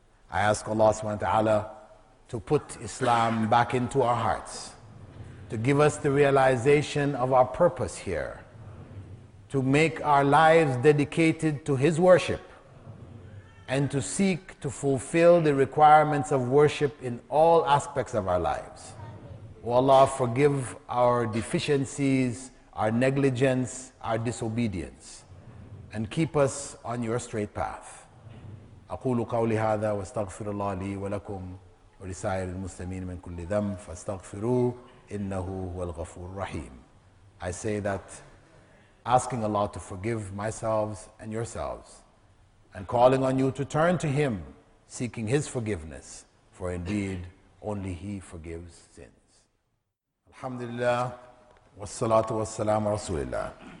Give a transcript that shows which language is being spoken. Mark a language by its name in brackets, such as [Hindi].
[English] I ask Allah subhanahu wa ta'ala to put Islam back into our hearts, to give us the realization of our purpose here, to make our lives dedicated to His worship, and to seek to fulfill the requirements of worship in all aspects of our lives. O Allah, forgive our deficiencies, our negligence, our disobedience, and keep us on your straight path. [Arabic] أقول قولي هذا واستغفر الله لي ولكم ولسائر المسلمين من كل ذنب فاستغفروه إنه هو الغفور الرحيم. [English] I say that asking Allah to forgive myself and yourselves, and calling on you to turn to Him, seeking His forgiveness, for indeed, only He forgives sins. [Arabic] Alhamdulillah, wassalatu wassalam rasulillah.